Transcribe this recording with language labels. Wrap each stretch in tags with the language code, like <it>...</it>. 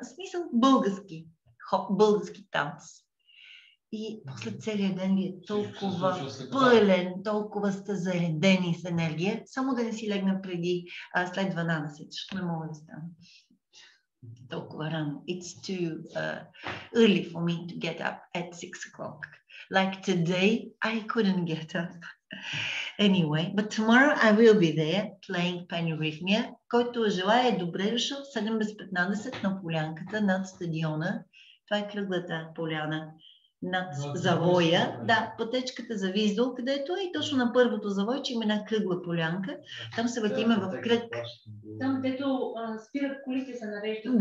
<bg>В смисъл български, български танц. И после целият ден ви е толкова пълен, толкова сте заредени с енергия. Само да не си легна преди, след 12, защото не мога да стана толкова рано.</bg> <en>It's too early for me to get up at 6:00. Like today, I couldn't get up. Anyway, but tomorrow I will be there playing panurhythmia.</en> <bg>Който желая, добре дошъл, 7:15 на полянката над стадиона. Това е кръглата поляна над завоя. Да, пътечката за Виздол, където е и точно на първото завой, че има една кръгла полянка. Там се въртиме в кръг. Там, където спират колите, се нареждат.</bg>